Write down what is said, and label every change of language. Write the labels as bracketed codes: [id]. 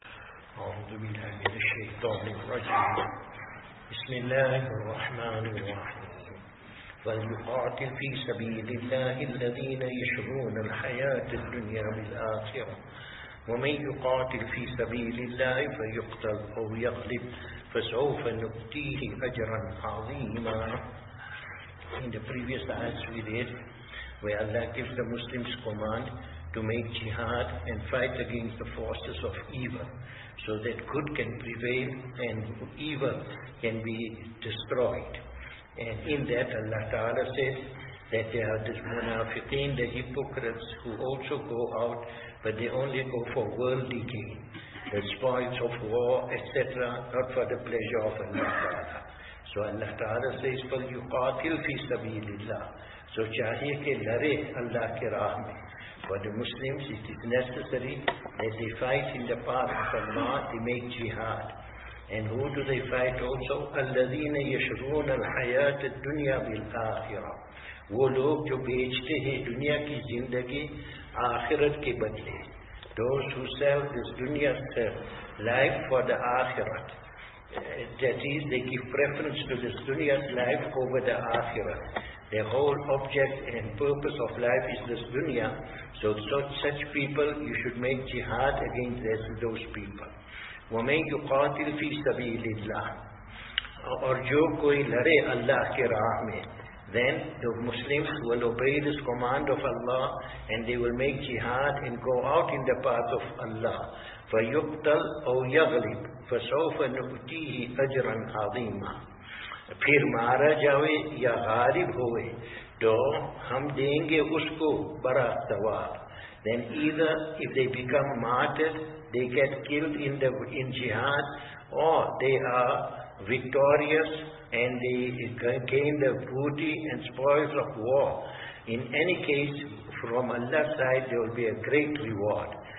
[ar] أعوذ بالله من الشيطان الرجيم. بسم الله الرحمن الرحيم. فليقاتل في سبيل الله الذين يشرون الحياة الدنيا بالآخرة ومن يقاتل في سبيل الله فيقتل أو يغلب فسوف نؤتيه أجرا عظيما. [en] In the previous ayahs we read, where Allah gives the Muslims command to make jihad and fight against the forces of evil, so that good can prevail and evil can be destroyed. And in that Allah Ta'ala says that there are the munafiqeen, the hypocrites, who also go out, but they only go for worldly gain, the spoils of war, etc., not for the pleasure of Allah Ta'ala. So Allah Ta'ala says, [ar] فَلْيُقَاتِلْ فِي سَبِيلِ اللَّهِ. [ur] So چاہیے کہ لرے اللہ کے راہ میں. [en] For the Muslims, it is necessary that they fight in the path of Allah, they make jihad. And who do they fight also? [ar] الَّذِينَ يَشْرُونَ الْحَيَاةِ الدُّنْيَا بِالْآخِرَةِ. [ur] وہ لوگ جو بیچتے ہیں دنیا کی زندگی آخرت کے بدلے. [en] Those who sell this dunya's life for the آخرت. That is, they give preference to this dunya's life over the akhirah. Their whole object and purpose of life is this dunya. So such people, you should make jihad against those people. [ar] وَمَنْ يُقَاتِلْ فِي سَبِيلِ اللَّهِ. [ur] اور جو کوئی لڑے اللہ کے راہ میں. [en] Then the Muslims will obey this command of Allah and they will make jihad and go out in the path of Allah. [ar] فَيُقْتَلْ أَوْ يَغْلِبْ فَسَوْفَ نُؤْتِيهِ أَجْرًا عَظِيمًا. [ur] پھر مارا جاوے یا غالب ہوئے تو ہم دیں گے اس کو بڑا ثواب. [en] Then either if they become martyred, they get killed in jihad, or they are victorious and they gain the booty and spoils of war. In any case, from Allah's side, there will be a great reward.